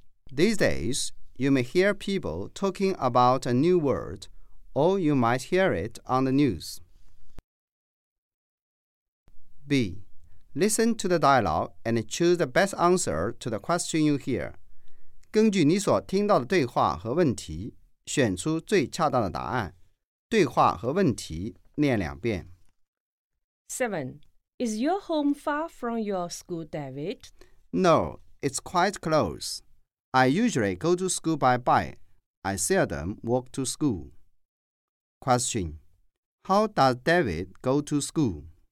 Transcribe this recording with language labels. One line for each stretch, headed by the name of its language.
English: These days, you may hear people talking about a new word, or you might hear it on the news. B. Listen to the dialogue and choose the best answer to the question you hear.
Chinese: 根据你所听到的对话和问题，选出最恰当的答案。对话和问题念两遍。
English: 7. Is your home far from your school, David? No, it's quite close. I usually go to school by bike. I seldom walk to school. Question. How does David go to school?